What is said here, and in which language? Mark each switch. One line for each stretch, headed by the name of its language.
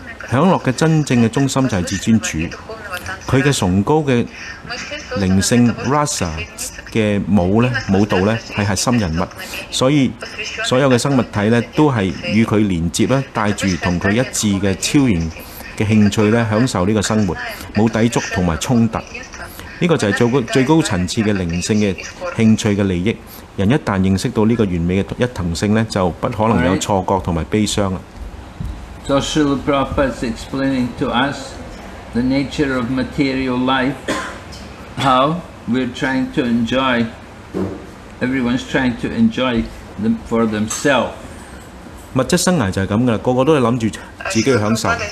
Chinese: 享乐的真正的中心就是至尊主，他的崇高的灵性 Rasa 的舞蹈是核心人物，所以所有的生物体都是与他连接，带着与他一致的超然的兴趣享受这个生活，没有抵触和冲突。这个就是最高层次的灵性的兴趣的利益。人一旦认识到这个完美的一同性，就不可能有错觉和悲伤。
English: So Srila Prabhupada is explaining to us the nature of material life, how we're trying to enjoy, everyone's trying to enjoy them for themselves.
Chinese: 物质生涯就是这样的，个个都是想着自己去享受。